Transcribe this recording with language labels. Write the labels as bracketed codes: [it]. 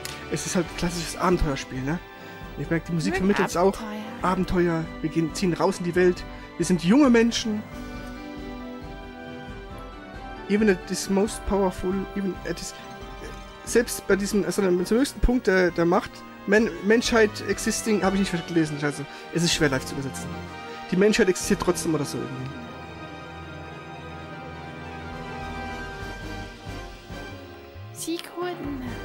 [de] Es ist halt ein klassisches Abenteuerspiel, ne? Ich merke, die Musik vermittelt es auch. Abenteuer, wir gehen, ziehen raus in die Welt. Wir sind junge Menschen. [en] Even at this most powerful, even at this. [de] Selbst bei diesem, also zum höchsten Punkt der Macht, Menschheit [en] existing, [de] habe ich nicht gelesen, scheiße. Es ist schwer live zu übersetzen. Die Menschheit existiert trotzdem oder so irgendwie. Sekunden.